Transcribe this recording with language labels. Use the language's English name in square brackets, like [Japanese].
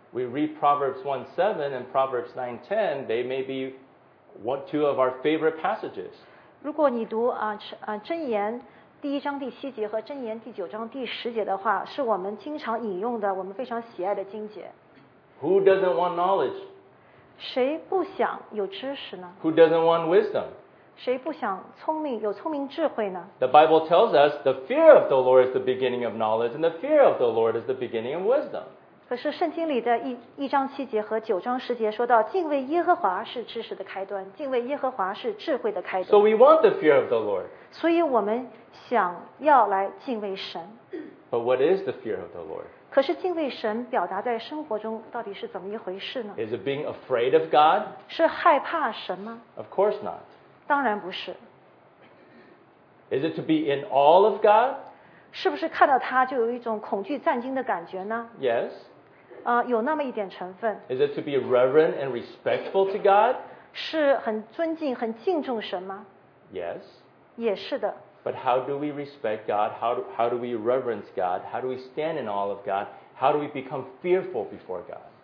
[English] We read Proverbs 1:7 and Proverbs 9:10, they may be two of our favorite passages. [Chinese] 如果你读, 箴言第一章第七节和箴言第九章第十节的话, 是我们经常引用的, 我们非常喜爱的经节。 [English] Who doesn't want knowledge? [Chinese] 谁不想有知识呢? [English] Who doesn't want wisdom? [Chinese] 谁不想聪明智慧呢? [English] The Bible tells us the fear of the Lord is the beginning of knowledge, and the fear of the Lord is the beginning of wisdom. [Chinese] 可是圣经里的一章七节和九章十节说到敬畏耶和华是知识的开端，敬畏耶和华是智慧的开端。 [English] So we want the fear of the Lord. [Chinese] 所以我们想要来敬畏神。 [English] But what is the fear of the Lord? [Chinese] 可是敬畏神表达在生活中到底是怎么一回事呢? [English] Is it being afraid of God? [Chinese] 是害怕神吗? [English] Of course not. [Chinese] 当然不是。 [English] Is it to be in awe of God? [Chinese] 是不是看到他就有一种恐惧战惊的感觉呢? [English] Yes. [Chinese] 有那么一点成分。 [English] Is it to be reverent and respectful to God? [Chinese] 是很尊敬、很敬重神吗? [English] Yes. [Chinese] 也是的。 [English] But how do we respect God? How do we reverence God? How do we stand in awe of God? How do we become fearful before God?